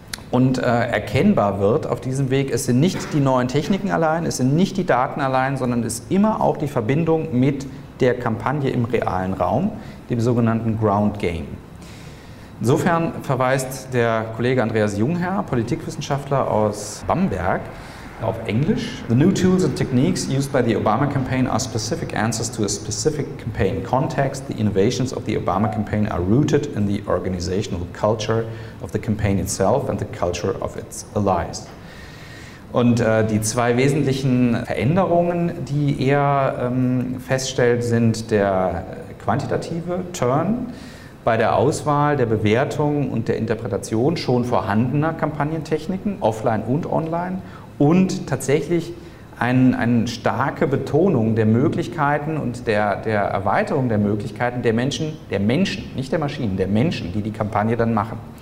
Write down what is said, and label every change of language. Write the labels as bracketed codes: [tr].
[de] Und erkennbar wird auf diesem Weg, es sind nicht die neuen Techniken allein, es sind nicht die Daten allein, sondern es ist immer auch die Verbindung mit der Kampagne im realen Raum, dem sogenannten Ground Game. Insofern verweist der Kollege Andreas Jungherr, Politikwissenschaftler aus Bamberg, auf Englisch. [en] The new tools and techniques used by the Obama campaign are specific answers to a specific campaign context. The innovations of the Obama campaign are rooted in the organizational culture of the campaign itself and the culture of its allies. [de] Und die zwei wesentlichen Veränderungen, die er feststellt, sind der quantitative Turn bei der Auswahl, der Bewertung und der Interpretation schon vorhandener Kampagnentechniken, offline und online, und tatsächlich eine starke Betonung der Möglichkeiten und der Erweiterung der Möglichkeiten der Menschen, nicht der Maschinen, der Menschen, die die Kampagne dann machen.